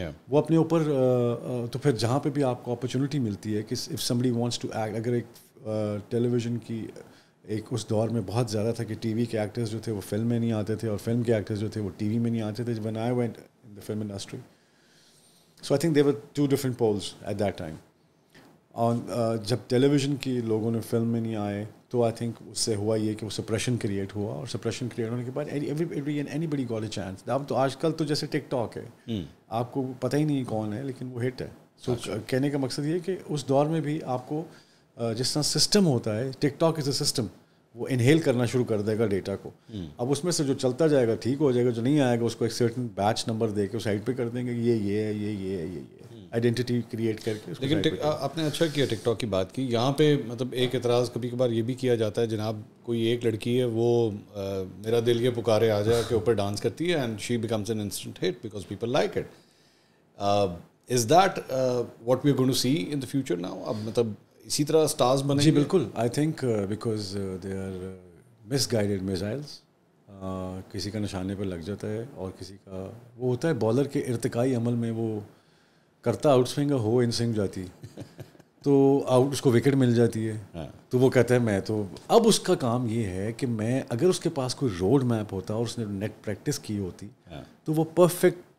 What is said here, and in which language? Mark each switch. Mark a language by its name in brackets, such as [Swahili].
[Urdu] وہ اپنے اوپر, تو پھر جہاں پہ بھی آپ کو اپرچونیٹی ملتی ہے کہ [English] if somebody wants to act, [Urdu] اگر ایک ٹیلی ویژن کی ایک اس دور میں بہت زیادہ تھا کہ ٹی وی کے ایکٹرز جو تھے وہ فلم میں نہیں آتے تھے اور فلم کے ایکٹرز جو تھے وہ ٹی وی میں نہیں آتے تھے [English] when I went in the film industry. So I think there were two different poles at that time. [Urdu] اور جب ٹیلی ویژن کی لوگوں نے فلم میں نہیں آئے تو آئی تھنک اس سے ہوا یہ کہ وہ سپریشن کریٹ ہوا, اور سپریشن کریٹ ہونے کے بعد [English] Anybody got a chance. [Urdu] اب تو آج کل تو جیسے ٹک ٹاک ہے, آپ کو پتہ ہی نہیں کون ہے لیکن وہ ہٹ ہے. سو کہنے کا مقصد یہ کہ اس دور میں بھی آپ کو جس طرح سسٹم ہوتا ہے, [English] TikTok is a system, [Urdu] وہ انہیل کرنا شروع کر دے گا ڈیٹا کو. اب اس میں سے جو چلتا جائے گا ٹھیک ہو جائے گا, جو نہیں آئے گا اس کو ایک سرٹن بیچ نمبر دے کے اس سائڈ پہ کر دیں گے, یہ یہ ہے, یہ یہ ہے, یہ یہ آئیڈینٹی کریٹ کر کے. لیکن آپ نے اچھا کیا ٹک ٹاک کی بات کی. یہاں پہ مطلب ایک اعتراض کبھی کبھار یہ بھی کیا جاتا ہے, جناب کوئی ایک لڑکی ہے وہ میرا دل یہ پکارے آ جائے کے اوپر ڈانس کرتی ہے [English] And she becomes an instant hit because people like it. Is that what we are going to see in the future now? [Urdu] اب مطلب اسی طرح اسٹارز بنیں گے؟ جی بالکل. [English] I think because they are misguided missiles. [Urdu] کسی کا نشانے پہ لگ جاتا ہے اور کسی کا وہ ہوتا ہے بالر کے ارتقائی عمل میں وہ کرتا آؤٹ سوئنگ ہو ان سوئنگ جاتی تو آؤٹ, اس کو وکٹ مل جاتی ہے تو وہ کہتا ہے میں تو. اب اس کا کام یہ ہے کہ میں, اگر اس کے پاس کوئی روڈ میپ ہوتا اور اس نے نیٹ پریکٹس کی ہوتی تو وہ پرفیکٹ